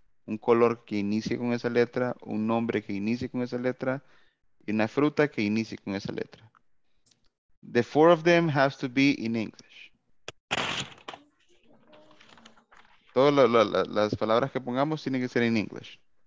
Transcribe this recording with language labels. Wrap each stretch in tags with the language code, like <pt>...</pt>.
<es>Un color que inicie con esa letra, un nombre que inicie con esa letra, y una fruta que inicie con esa letra.</es> <en>The four of them have to be in English.</en> <es>Todas las palabras que pongamos tienen que ser en English.</es>